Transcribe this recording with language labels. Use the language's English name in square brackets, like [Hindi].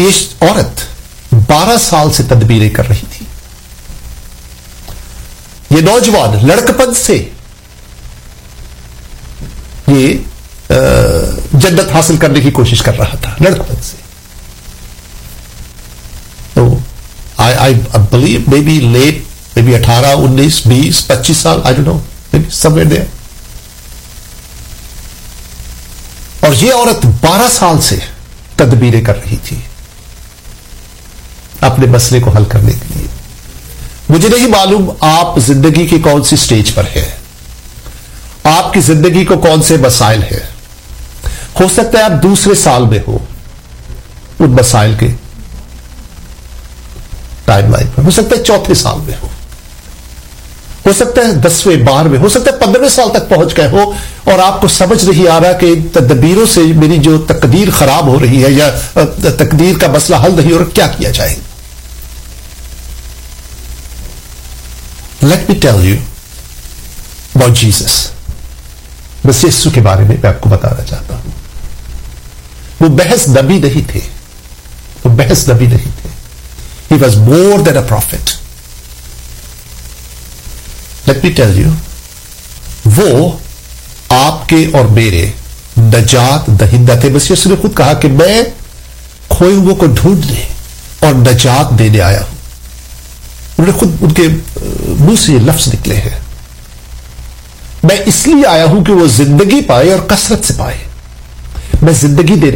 [Urdu] یہ عورت 12 سال سے تدبیریں کر رہی تھی، یہ نوجوان لڑکپن سے یہ جنت حاصل کرنے کی کوشش کر رہا تھا لڑکپن سے. تو [English] I believe maybe late maybe 18, 19, 20, 25 [Urdu] سال [English] I don't know maybe somewhere there. [Urdu] اور یہ عورت 12 سال سے تدبیریں کر رہی تھی اپنے مسئلے کو حل کرنے کے لیے. مجھے نہیں معلوم آپ زندگی کی کون سی سٹیج پر ہیں، آپ کی زندگی کو کون سے مسائل ہیں. ہو سکتا ہے آپ دوسرے سال میں ہو ان مسائل کے ٹائم لائن پر، ہو سکتا ہے چوتھے سال میں ہو، ہو سکتا ہے 10ویں 12ویں، ہو سکتا ہے 15ویں سال تک پہنچ گئے ہو اور آپ کو سمجھ نہیں آ رہا کہ تدبیروں سے میری جو تقدیر خراب ہو رہی ہے یا تقدیر کا مسئلہ حل نہیں ہو رہا، کیا کیا جائے. [English] Let me tell you about Jesus. [Urdu] بس یسو کے بارے میں آپ کو بتانا چاہتا ہوں. وہ بحث نبی نہیں تھے، وہ بحث نبی نہیں تھے. [English] He was more than a prophet. Let me tell you, [Urdu] وہ آپ کے اور میرے نجات دہندہ تھے. بس یسو نے خود کہا کہ میں کھوئے ہوئے کو ڈھونڈنے اور نجات دینے آیا ہوں. انہوں نے خود ان کے منہ سے یہ لفظ نکلے ہیں، میں اس لیے آیا ہوں کہ وہ زندگی پائے اور کثرت سے پائے، میں زندگی دے.